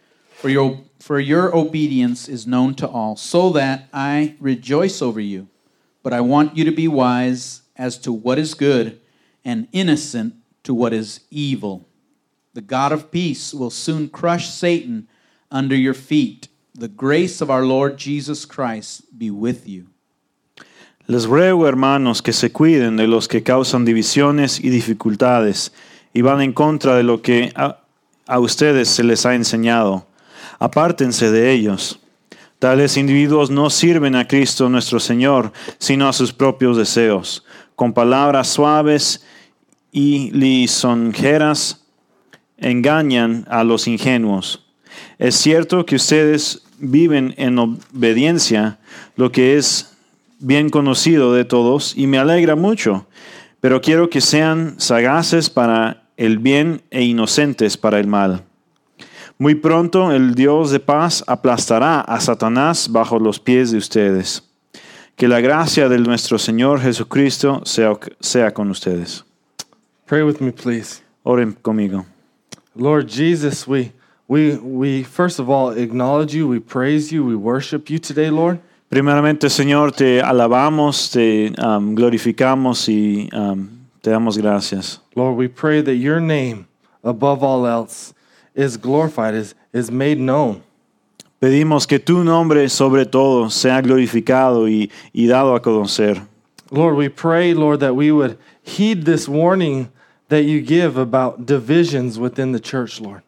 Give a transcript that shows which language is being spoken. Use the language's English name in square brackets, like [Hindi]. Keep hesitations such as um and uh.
[English] For your, for your obedience is known to all, so that I rejoice over you. But I want you to be wise as to what is good and innocent to what is evil. The God of peace will soon crush Satan under your feet. The grace of our Lord Jesus Christ be with you. [Spanish] Les ruego, hermanos, que se cuiden de los que causan divisiones y dificultades y van en contra de lo que a, a, ustedes se les ha enseñado. Apártense de ellos. Tales individuos no sirven a Cristo nuestro Señor, sino a sus propios deseos. Con palabras suaves y lisonjeras engañan a los ingenuos. Es cierto que ustedes viven en obediencia, lo que es bien conocido de todos y me alegra mucho, pero quiero que sean sagaces para el bien e inocentes para el mal. Muy pronto el Dios de paz aplastará a Satanás bajo los pies de ustedes. Que la gracia del nuestro Señor Jesucristo sea, sea con ustedes. [English] Pray with me, please. [Spanish] Oren conmigo. [English] Lord Jesus, we, we, we first of all acknowledge you, we praise you, we worship you today, Lord. [Spanish] Primeramente, Señor, te alabamos, te um, glorificamos y um, te damos gracias. [English] Lord, we pray that your name above all else is glorified, is, is, made known. [Spanish] Pedimos que tu nombre sobre todo sea glorificado y, y dado a conocer. [English] Lord, we pray, Lord, that we would heed this warning. that you give about divisions within the church, Lord.